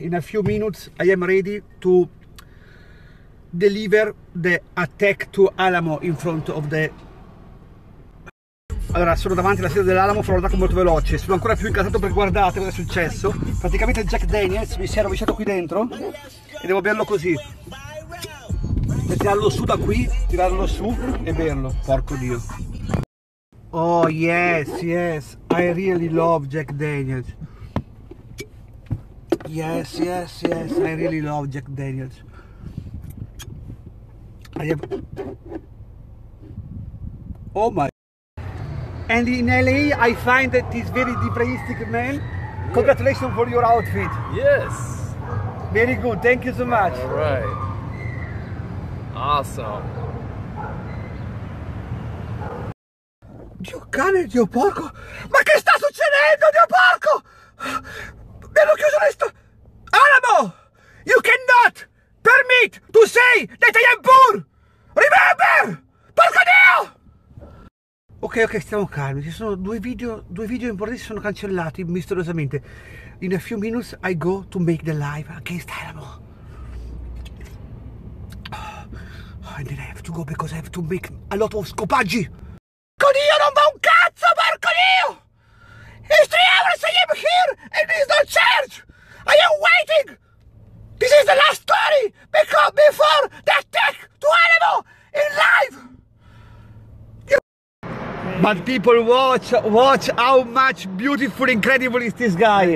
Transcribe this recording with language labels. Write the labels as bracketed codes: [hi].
[en] In a few minutes I am ready to deliver the attack to Alamo in front of the... [it] Allora, sono davanti alla sede dell'Alamo, farò un attacco molto veloce. Sono ancora più incazzato perché guardate cosa è successo. Praticamente Jack Daniels mi si è rovesciato qui dentro e devo berlo così. E tirarlo su da qui, tirarlo su e berlo. Porco Dio. [en] Oh yes, yes, I really love Jack Daniels. Yes, yes, yes, I really love Jack Daniels. I have... Oh my... And in LA I find that this very depressistic man. Yeah. Congratulations for your outfit. Yes. Very good, thank you so much. All right. Awesome. [it] Dio cane, Dio porco! Ma che sta succedendo, Dio porco? Mi hanno chiuso le sto... Alamo! [en] You cannot permit to say that I am poor! Remember! [it] Per ok, stiamo calmi. Ci sono due video importanti sono cancellati misteriosamente. [en] In a few minutes I go to make the live against Alamo. Oh, and then I have to go because I have to make a lot of scopaggi. [it] Con io non va un cazzo, porco Dio! [en] It's 3 hours I am here and it's not charged! I am waiting! This is the last story! Because before the attack to Alamo in live! But people watch how much beautiful, incredible is this guy.